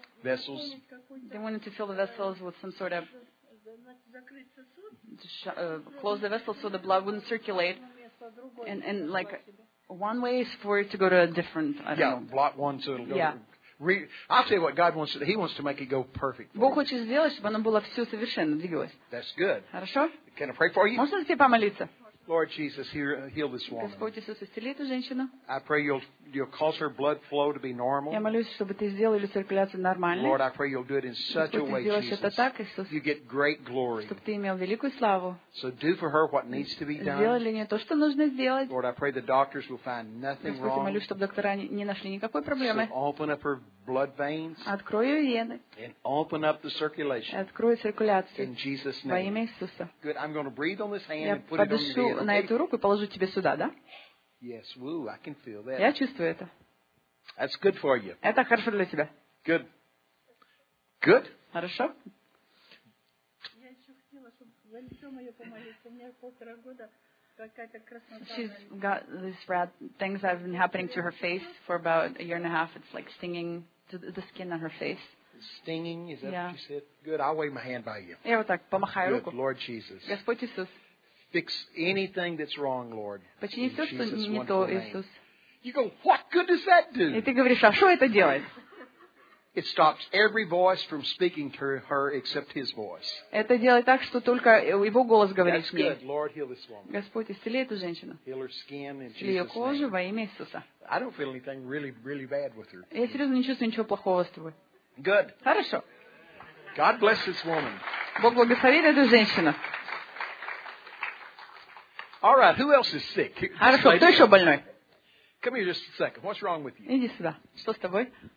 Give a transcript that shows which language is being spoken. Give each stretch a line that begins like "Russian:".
English: They wanted to fill the vessels with some sort of... Close the vessels so the blood wouldn't circulate. And like, one way is for it to go to a different, I don't yeah, know. Yeah, block one so it'll go yeah. to... I'll tell you what God wants to do. He wants to make it go perfect.
Russian: Бог хочет сделать, чтобы оно было все совершенно двигалось.
English: That's good.
Russian: Хорошо.
English: Can I pray for you?
Russian: Можно тебе помолиться?
English: Lord Jesus, heal this woman.
Russian: Господь Иисус, исцели эту женщину.
English: I pray you'll cause her blood flow to be normal.
Russian: Я молюсь, чтобы ты сделал ее циркуляцию нормальной.
English: Lord, I pray you'll do it in such a way, Jesus.
Russian: Сделай это так, Иисус.
English: You get great glory.
Russian: Чтобы ты имел великую славу.
English: So do for her what needs to be done.
Russian: Сделай для нее то, что нужно сделать.
English: Lord, I pray the doctors will find nothing wrong.
Russian: Господи, молюсь, чтобы доктора не нашли никакой проблемы.
English: So open up her blood veins.
Russian: Открой ее вены.
English: And open up the circulation.
Russian: Открой циркуляцию.
English: In Jesus' name.
Russian: Во имя Иисуса.
English: Good. I'm going to breathe on this hand and put it on your hand.
Russian: На эту руку и положу тебе сюда, да?
English: Yes, woo, I can feel that.
Russian: Я чувствую это.
English: That's good for you.
Russian: Это хорошо для тебя.
English: Good. Good.
Russian: Хорошо. Я еще хотела, чтобы за лицо мое помолиться. У меня полтора года какая-то краснота.
English: She's got these red things that have been happening to her face for about a year and a half. It's like stinging to the skin on her face. Stinging, is that yeah. what you said? Good, I'll wave my hand by you.
Russian: Я вот так помахаю руку.
English: Good, Lord Jesus.
Russian: Господь Иисус.
English: Fix anything that's wrong, Lord.
Russian: Почини все, что не то, Иисус.
English: You go, what good does that do?
Russian: И ты говоришь, а что это делает?
English: It stops every voice from speaking to her except his voice.
Russian: Это делает так, что только его голос говорит с ней.
English: Lord, heal this woman.
Russian: Господь, исцели эту женщину.
English: Heal her skin in Jesus' name.
Russian: Ее кожу во имя Иисуса.
English: I don't feel anything really, really bad with her.
Russian: Я серьезно не чувствую ничего плохого с тобой.
English: Good.
Russian: Хорошо.
English: God bless this woman.
Russian: Бог благословит эту женщину.
English: All right, who else is sick?
Russian: Хорошо, кто еще больной?
English: Come here just a second. What's wrong with you?
Russian: Иди сюда. Что с тобой?